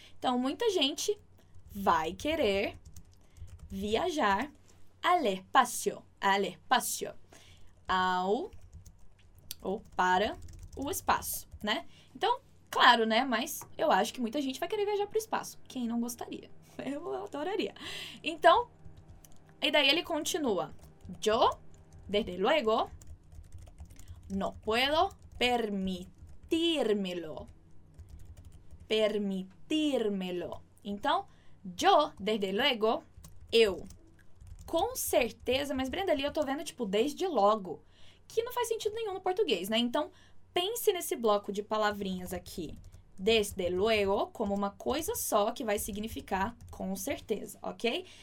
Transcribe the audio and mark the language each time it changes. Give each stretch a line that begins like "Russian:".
Portuguese: Então, muita gente vai querer viajar
Spanish: al espacio. Al espacio.
Portuguese: Ao ou para o espaço, né? Então, claro, né? Mas eu acho que muita gente vai querer viajar para o espaço. Quem não gostaria? Eu adoraria. Então, e daí ele continua.
Spanish: Yo, desde luego, no puedo permitírmelo. Permitírmelo.
Portuguese: Então,
Spanish: yo, desde luego,
Portuguese: eu, com certeza. Mas, Brenda, ali eu tô vendo, tipo, desde logo. Que não faz sentido nenhum no português, né? Então, pense nesse bloco de palavrinhas aqui. Desde luego, como uma coisa só que vai significar com certeza, ok?